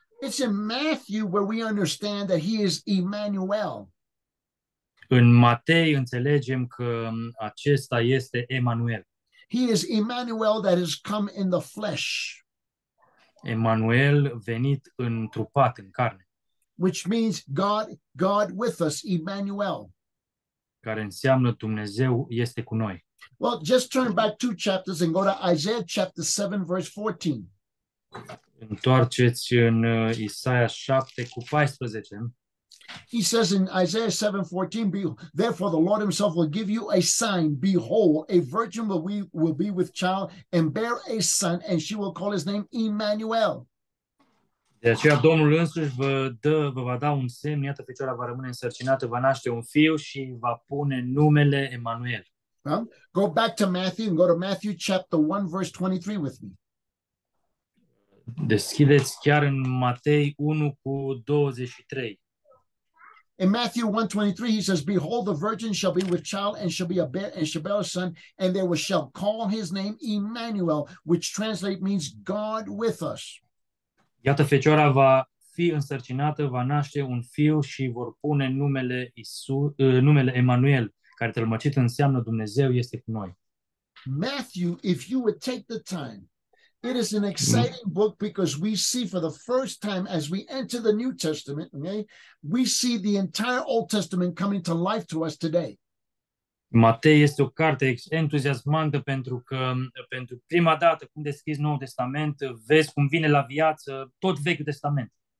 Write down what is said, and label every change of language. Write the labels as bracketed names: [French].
[English] It's in Matthew where we understand that he is Emmanuel. [Romanian] În Matei înțelegem că acesta este Emmanuel. [English] He is Emmanuel that has come in the flesh. [Romanian] Emmanuel venit întrupat în carne. [English] Which means God with us, Emmanuel. [Romanian] Care înseamnă Dumnezeu este cu noi. [English] Well, just turn back two chapters and go to Isaiah chapter 7, verse 14. [Romanian] Întoarceți în Isaia 7 cu 14. [English] He says in Isaiah 7:14, therefore the Lord himself will give you a sign. Behold, a virgin will be with child and bear a son, and she will call his name Emmanuel. [Romanian] De aceea Domnul însuși vă va da un semn, iată fecioara va rămâne însărcinată, va naște un fiu și va pune numele Emmanuel. [English] Go back to Matthew and go to Matthew chapter 1 verse 23 with me. [Romanian] Deschideți chiar în Matei 1 cu 23. [English] In Matthew 1:23, he says, behold, the virgin shall be with child and shall be a bear and shall bear a son, and they shall call his name Emmanuel, which translates means God with us. [Romanian] Iată, fecioara va fi însărcinată, va naște un fiu și vor pune numele Emmanuel, care tălmăcit înseamnă Dumnezeu este cu noi. [English] Matthew, if you would take the time, it is an exciting book because we see for the first time as we enter the New Testament, okay, we see the entire Old Testament coming to life to us today. [Romanian] Matei este o carte entuziasmantă pentru că pentru prima dată când deschizi Noul Testament, vezi cum vine la viață tot Vechiul Testament.